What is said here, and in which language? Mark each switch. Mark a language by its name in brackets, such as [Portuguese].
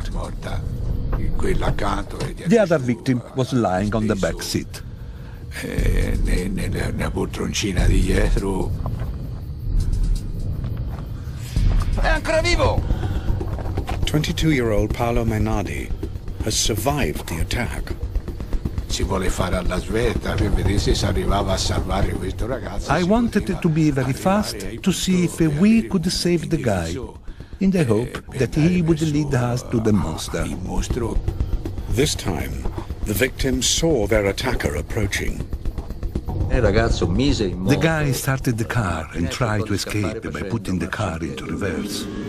[English] The other victim was lying on the back seat. [Italian] Nella poltroncina di dietro. È ancora vivo! [English] 22-year-old Paolo Mainardi has survived the attack. [Italian] Si vuole fare alla svelta per vedere se si arrivava a salvare questo ragazzo. [English] I wanted to be very fast to see if we could save the guy, in the hope that he would lead us to the monster. [Italian] Il mostro. [English] This time, the victim saw their attacker approaching. The guy started the car and tried to escape by putting the car into reverse.